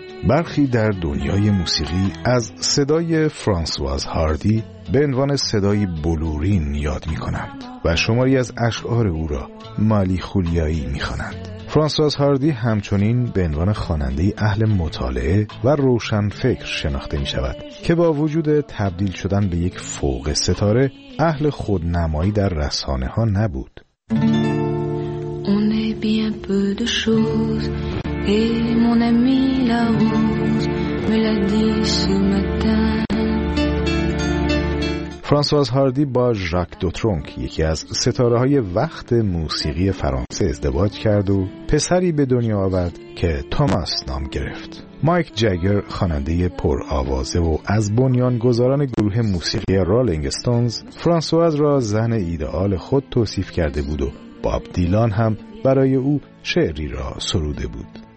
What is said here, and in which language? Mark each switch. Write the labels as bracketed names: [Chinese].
[Persian] برخی در دنیای موسیقی از صدای فرانسواز هاردی به عنوان صدای بلورین یاد می‌کنند و شماری از اشعار او را مالی خولیایی می‌خوانند. فرانسواز هاردی همچنین به عنوان خواننده اهل مطالعه و روشن فکر شناخته می شود که با وجود تبدیل شدن به یک فوق ستاره اهل خودنمایی در رسانه ها نبود. [French] On est bien peu de choses et mon ami la rose me l'a dit ce matin. [Persian] فرانسواز هاردی با ژاک دوترونک، یکی از ستاره های وقت موسیقی فرانسه، ازدواج کرد و پسری به دنیا آورد که توماس نام گرفت. مایک جگر، خواننده پرآوازه و از بنیانگذاران گروه موسیقی رولینگ استونز، فرانسواز را زن ایدئال خود توصیف کرده بود و باب دیلان هم برای او شعری را سروده بود.